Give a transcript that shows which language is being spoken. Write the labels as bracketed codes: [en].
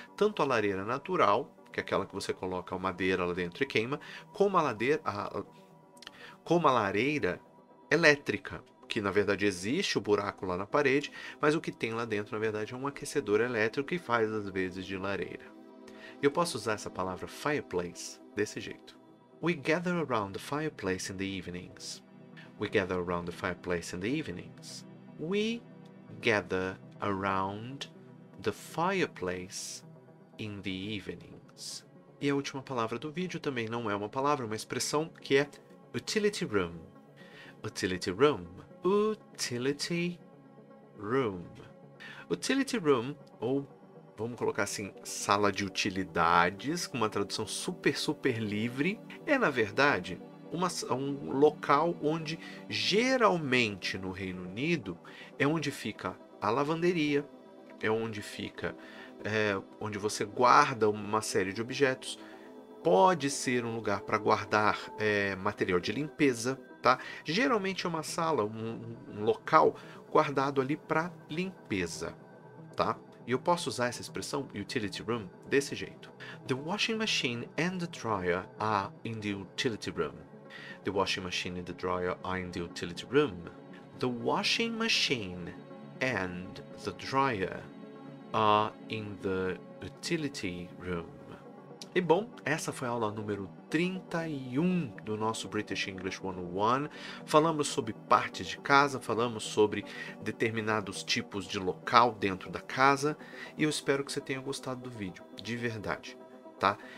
[pt] Tanto a lareira natural, que é aquela que você coloca a madeira lá dentro e queima, como a lareira elétrica, que na verdade existe o buraco lá na parede, mas o que tem lá dentro, na verdade, é um aquecedor elétrico que faz às vezes de lareira. Eu posso usar essa palavra fireplace desse jeito. [en] We gather around the fireplace in the evenings. We gather around the fireplace in the evenings. We gather around the fireplace in the evenings. [pt] E a última palavra do vídeo também não é uma palavra, é uma expressão que é Utility room. Utility room. [en] Utility room. [pt] Utility room, ou vamos colocar assim, sala de utilidades, com uma tradução super, super livre, é, na verdade, um local onde, geralmente, no Reino Unido, é onde fica a lavanderia, é onde fica, onde você guarda uma série de objetos. Pode ser um lugar para guardar material de limpeza, tá? Geralmente é uma sala, um local guardado ali para limpeza, tá? E eu posso usar essa expressão, utility room, desse jeito. [en] The washing machine and the dryer are in the utility room. The washing machine and the dryer are in the utility room. The washing machine and the dryer are in the utility room. [pt] E bom, essa foi a aula número 31 do nosso British English 101. Falamos sobre partes de casa, falamos sobre determinados tipos de local dentro da casa. E eu espero que você tenha gostado do vídeo, de verdade, tá?